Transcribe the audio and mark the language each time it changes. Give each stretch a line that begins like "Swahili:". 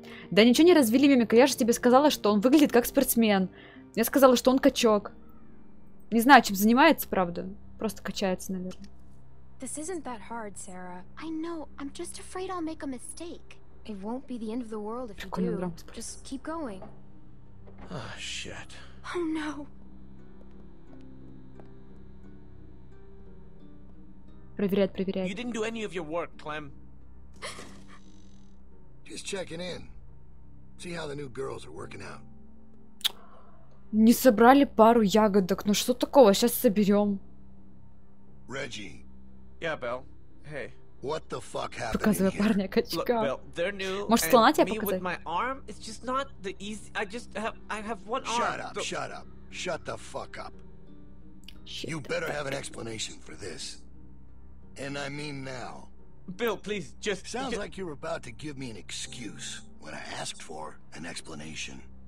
Russian: Да ничего не развели, мимика, я же тебе сказала, что он выглядит как спортсмен. Я сказала, что он качок. Не знаю, чем занимается, правда. Просто качается, наверное.
English: This isn't that hard, Sarah. I know. I'm just afraid I'll make a mistake. It won't be the end of the world if you do. Just keep going. Oh, shit. Oh, no.
Russian: Проверяет.
English: You didn't do any of your work, Clem. Just checking in. See how the new girls are working out.
Russian: Не собрали пару ягодок, ну что такого, сейчас соберем. Реджи.
English: Yeah, Bill. Hey. What the fuck happened?
Russian: Показывай парня качка.
English: Look, Bill, they're new.
Russian: Может, слона тебе показать?
English: Me with my arm, it's just not the easy. I have one arm. Shut up. Shut the fuck up. Shit, you better have an explanation for this. And I mean now. Bill, please just. Sounds like you're about to give me an excuse when I asked for an explanation.